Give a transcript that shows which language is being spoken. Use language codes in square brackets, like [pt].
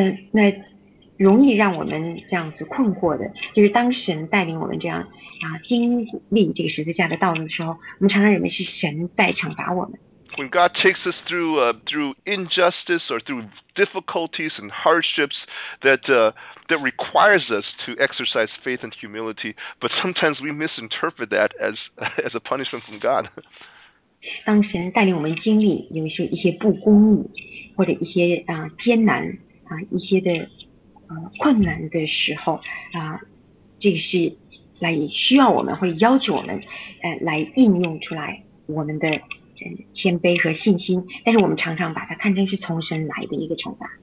[zh] 那容易让我们这样子困惑的，就是当神带领我们这样经历这个十字架的道路的时候，我们常常认为是神在惩罚我们。 [en] When God takes us through through injustice or through difficulties and hardships that requires us to exercise faith and humility, but sometimes we misinterpret that as a punishment from God. [zh] 当神带领我们经历有时一些不公义或者一些艰难一些的困难的时候这个是来需要我们或者要求我们来应用出来我们的谦卑和信心，但是我们常常把它看成是从神来的一个惩罚。